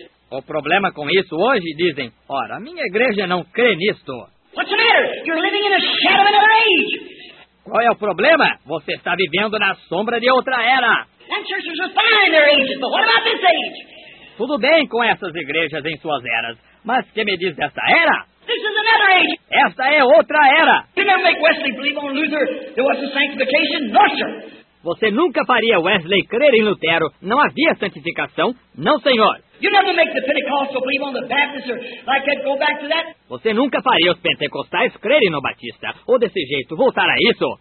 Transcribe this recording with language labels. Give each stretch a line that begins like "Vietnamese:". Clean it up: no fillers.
Portuguese: O problema com isso hoje, dizem, ora, minha igreja não crê nisto.
English: What's the matter? You're living in a shadow of another age.
Portuguese: Qual é o problema? Você está vivendo na sombra de outra era.
English: That church was fine in their ages, but what about this age?
Portuguese: Tudo bem com essas igrejas em suas eras, mas que me diz dessa era?
English: This is another age.
Portuguese: Esta é outra era.
English: You never make Wesley believe on Luther there was a sanctification? No, sir.
Portuguese: Você nunca faria Wesley crer em Lutero? Não havia santificação? Não, senhor.
English: You never make the Pentecostal believe on the Baptist or like that, go back to that.
Portuguese: Você nunca faria os pentecostais crerem no Batista ou desse jeito voltar a isso.